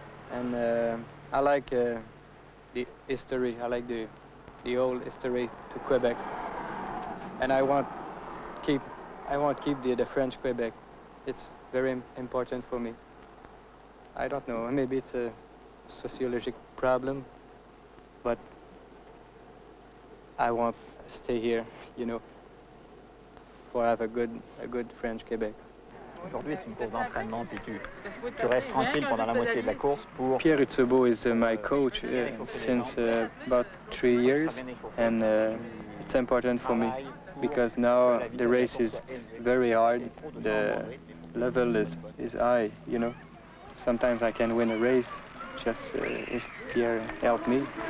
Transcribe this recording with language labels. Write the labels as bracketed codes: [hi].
[en] And I like the history, I like the old history to Quebec, and I want keep the French Quebec. It's very important for me. I don't know, maybe it's a sociologic problem, but I want to stay here, you know, for have a good French Quebec. [fr] Aujourd'hui, c'est une pause d'entraînement, puis tu restes tranquille pendant la moitié de la course pour... [en] Pierre Itzebo is my coach since about 3 years, and it's important for me, because now the race is very hard, the level is high, you know. Sometimes I can win a race, just if Pierre helped me.